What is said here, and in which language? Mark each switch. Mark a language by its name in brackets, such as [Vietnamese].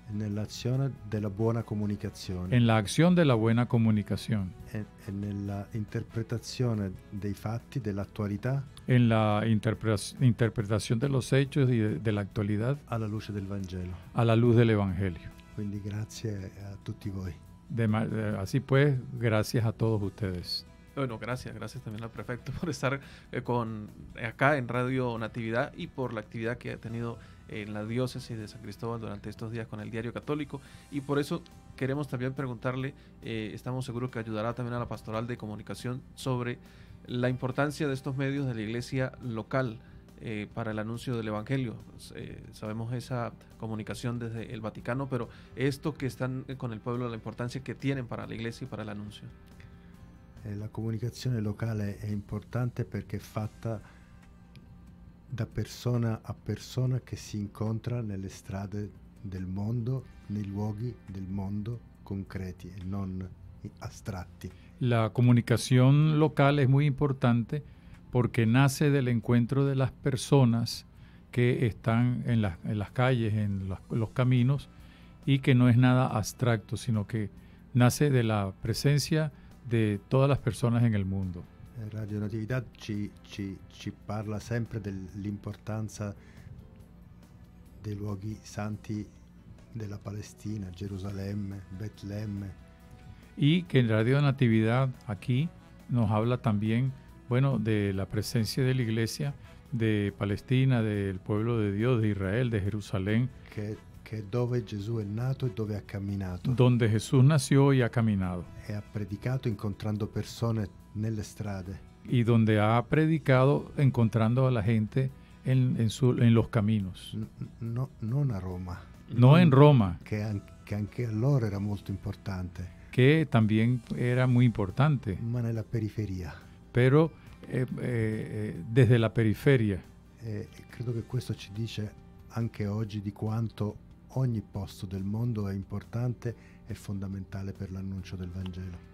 [Italian] Nell'azione della buona comunicazione. [Spanish] En la acción de la buena comunicación. [Italian] E nella interpretazione dei fatti, dell'attualità. [Spanish] En la interpretación de los hechos y de la actualidad. [Italian] Alla luce del Vangelo. [Spanish] A la luz del Evangelio. [Italian] Quindi grazie a tutti voi. [Spanish] Así pues, gracias a todos ustedes. Bueno, gracias también al prefecto por estar acá en Radio Natividad y por la actividad que ha tenido en la diócesis de San Cristóbal durante estos días con el Diario Católico. Y por eso queremos también preguntarle, estamos seguros que ayudará también a la pastoral de comunicación sobre la importancia de estos medios de la iglesia local para el anuncio del Evangelio. Sabemos esa comunicación desde el Vaticano, pero esto que están con el pueblo, la importancia que tienen para la iglesia y para el anuncio. [Italian] La comunicazione locale è importante perché è fatta da persona a persona che si incontra nelle strade del mondo, nei luoghi del mondo concreti e non astratti. La comunicazione locale è molto importante perché nasce dall'incontro delle persone che stanno nelle strade, nei cammini e che non è nada astratto, sino che nasce dalla presenza [Spanish] de todas las personas en el mundo. [Italian] Radio Natividad ci parla sempre dell'importanza dei luoghi santi della Palestina, Gerusalemme, Betlemme. [Spanish] Y que Radio Natividad aquí nos habla también, bueno, de la presencia de la Iglesia de Palestina, del pueblo de Dios, de Israel, de Jerusalén. [Italian] Che dove Gesù è nato e dove ha camminato. [Spanish] Donde Jesús nació y ha caminado. [Italian] E ha predicato incontrando persone nelle strade. [Spanish] Y donde ha predicado encontrando a la gente en los caminos. [Italian] Non a Roma. [Spanish] No en Roma. [Italian] Che anche allora era molto importante. [Spanish] Que también era muy importante. [Italian] Ma nella periferia. [Spanish] Pero desde la periferia. [Italian] Credo che questo ci dice anche oggi di quanto ogni posto del mondo è importante e fondamentale per l'annuncio del Vangelo.